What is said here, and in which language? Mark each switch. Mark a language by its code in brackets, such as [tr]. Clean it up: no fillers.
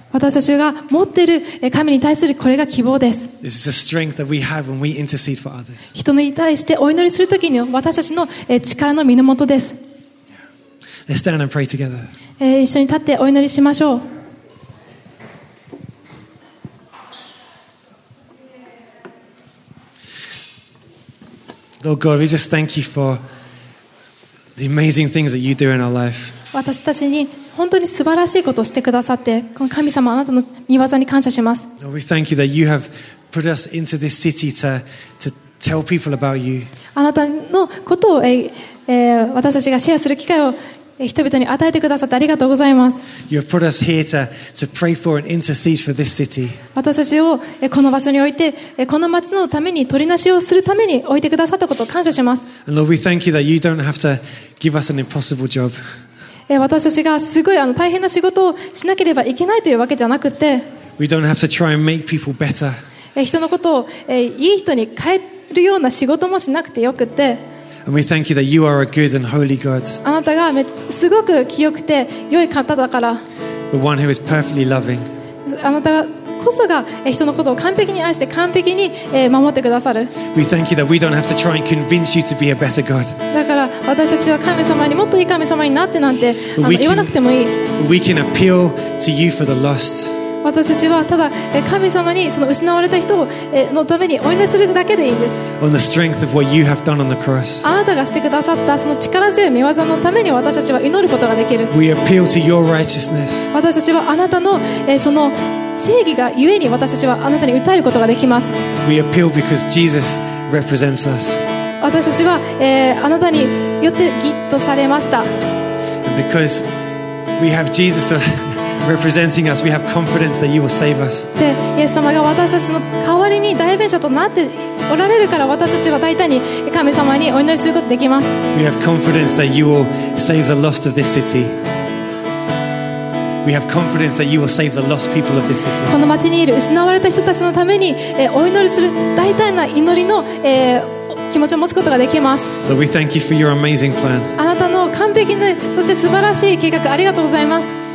[ja] 私たちが持っている神に対するこれが希望です。 [en] This is the strength that we have when we intercede for others. [ja] 人に対してお祈りするときの私たちの力の源です。 [en] Let's stand and pray together. [ja] 一緒に立ってお祈りしましょう。 [en] Lord God, we just thank you for the amazing things that you do in our life. [ja] 私たちに本当に素晴らしいことをしてくださって、この神様あなたの御業に感謝します。 [en] Lord, we thank you that you have put us into this city to tell people about you. [ja] あなたのことを私たちがシェアする機会を人々に与えてくださってありがとうございます。 [en] You have put us here to pray for and intercede for this city. [ja] 私たちをこの場所に置いて、この町のために取りなしをするために置いてくださったことを感謝します。 [en] And Lord, we thank you that you don't have to give us an impossible job. [ja] 私たちがすごい大変な仕事をしなければいけないというわけじゃなくて、 [en] we don't have to try and make people better. [ja] 人のことをいい人に変えるような仕事もしなくてよくて、 [en] And we thank you that you are a good and holy God. [ja] あなたがすごく清くて良い方だから。 [en] The one who is perfectly loving. [ja] あなたこそが人のことを完璧に愛して完璧に守ってくださる。 [en] We thank you that we don't have to try and convince you to be a better God. [ja] だから私たちは神様にもっといい神様になってなんて言わなくてもいい。 [en] We can appeal to you for the lost. [ja] 私たちはただ神様にその失われた人のためにお祈りするだけでいいんです。 [en] On the strength of what you have done on the cross. [ja] あなたがしてくださったその力強い御業のために私たちは祈ることができる。 [en] We appeal to your righteousness. [ja] 私たちはあなたのその正義がゆえに私たちはあなたに訴えることができます。 [en] We appeal because Jesus represents us. [ja] 私たちはあなたによってギッとされました。 [en] And because we have Jesus. Representing us, we have confidence that you will save us. [ja] で、イエス様が私たちの代わりに代弁者となっておられるから、私たちは大胆に神様にお祈りすることができます。 [en] We have confidence that you will save the lost of this city. We have confidence that you will save the lost people of this city. [ja] この町にいる失われた人たちのためにお祈りする大胆な祈りの気持ちを持つことができます。 [en] Lord, we thank you for your amazing plan. [ja] あなたの完璧なそして素晴らしい計画ありがとうございます。